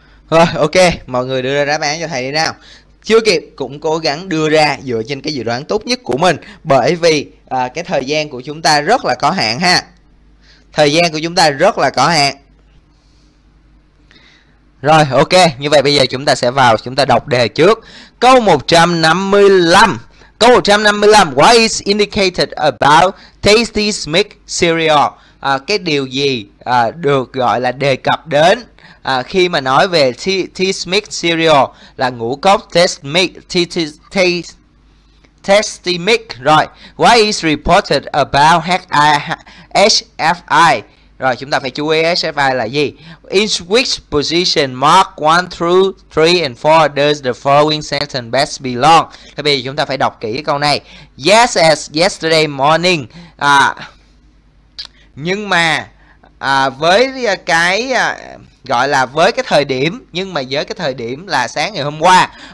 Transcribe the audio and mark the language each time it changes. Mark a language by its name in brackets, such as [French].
[Vietnamese] Rồi, ok, mọi người đưa ra đáp án cho thầy đi nào. Chưa kịp cũng cố gắng đưa ra dựa trên cái dự đoán tốt nhất của mình, bởi vì cái thời gian của chúng ta rất là có hạn ha. Thời gian của chúng ta rất là có hạn. Rồi, ok, như vậy bây giờ chúng ta sẽ vào chúng ta đọc đề trước. Câu 155. Câu 155, [English] what is indicated about tasty smith cereal? [Vietnamese] Cái điều gì được gọi là đề cập đến khi mà nói về T-Smith cereal là ngũ cốc Tasty Smith. [English] Rồi, what is reported about HFI? [Vietnamese] Rồi, chúng ta phải chú ý HFI là gì? [English] In which position mark 1 through 3 and 4 does the following sentence best belong? [Vietnamese] Thì bây giờ chúng ta phải đọc kỹ cái câu này. [English] Yes, as yesterday morning. [Vietnamese] Nhưng mà với cái gọi là với cái thời điểm, nhưng mà với cái thời điểm là sáng ngày hôm qua.